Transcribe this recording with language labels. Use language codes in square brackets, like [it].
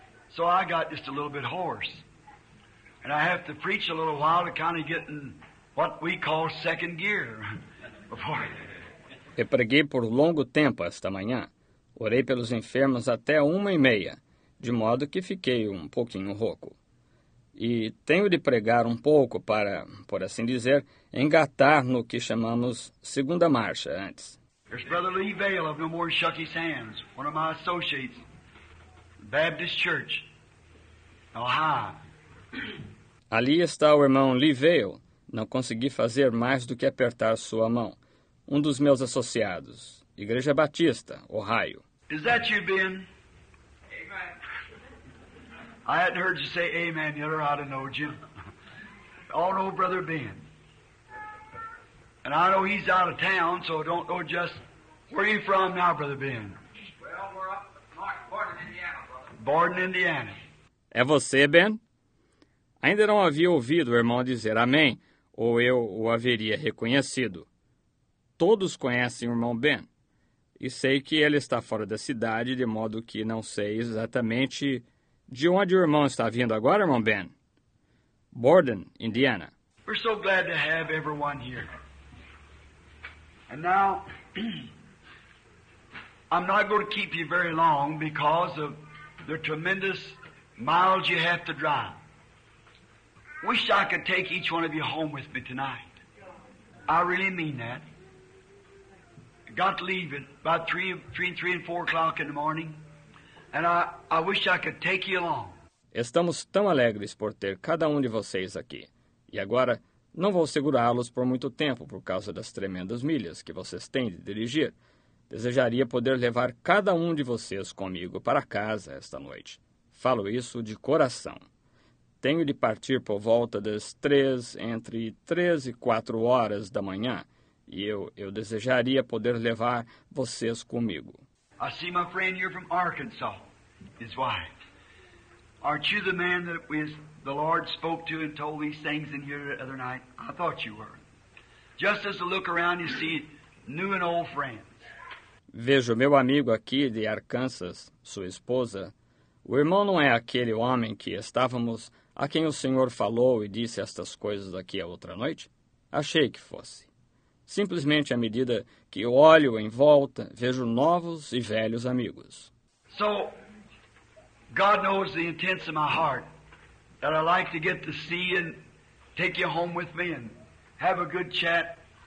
[en] So I got just a little bit hoarse. And I have to preach a little while to kind of get in what we call second gear before. [pt] Eu preguei por longo tempo esta manhã. Orei pelos enfermos até 1:30, de modo que fiquei pouquinho rouco. E tenho de pregar pouco para, por assim dizer, engatar no que chamamos segunda marcha antes. [en] There's Brother Lee Vail of No More Shucky's Hands, one of my associates, Baptist Church, Ohio. [pt] Ali está o irmão Lee Vail. Não consegui fazer mais do que apertar sua mão. um dos meus associados, Igreja Batista, Ohio. [en] Is that you, Ben? I hadn't heard you say amen yet, or I'd have known you. All know Brother Ben. And I know he's out of town, so don't know just where you from now, Brother Ben. Well, we're up Borden, Indiana, brother. Borden, Indiana. [pt] É você, Ben? Ainda não havia ouvido o irmão dizer amém, ou eu o haveria reconhecido. Todos conhecem o irmão Ben, e sei que ele está fora da cidade, de modo que não sei exatamente de onde o irmão está vindo agora, irmão Ben. Borden, Indiana. [en] We're so glad to have everyone here. And now, I'm not going to keep you very long because of the tremendous miles you have to drive. Wish I could take each one of you home with me tonight. I really mean that. Got to leave at about 3 and 4 o'clock in the morning. And I wish I could take you along. [pt] Estamos tão alegres por ter cada um de vocês aqui. E agora, não vou segurá-los por muito tempo por causa das tremendas milhas que vocês têm de dirigir. Desejaria poder levar cada um de vocês comigo para casa esta noite. Falo isso de coração. Tenho de partir por volta das 3 e 4 horas da manhã. E eu desejaria poder levar vocês comigo. [en] I see my friend here from Arkansas, his wife. Aren't you the man that was the Lord spoke to and told these things in here the other night? I thought you were. Just as I look around, you see new and old friends. [pt] Vejo meu amigo aqui de Arkansas, sua esposa. O irmão não é aquele homem que estávamos, a quem o Senhor falou e disse estas coisas aqui a outra noite? Achei que fosse. Simplesmente à medida que eu olho em volta, vejo novos e velhos amigos. [en] So, God knows the intents of my heart, that I like to get to see and take you home with me and have a good chat.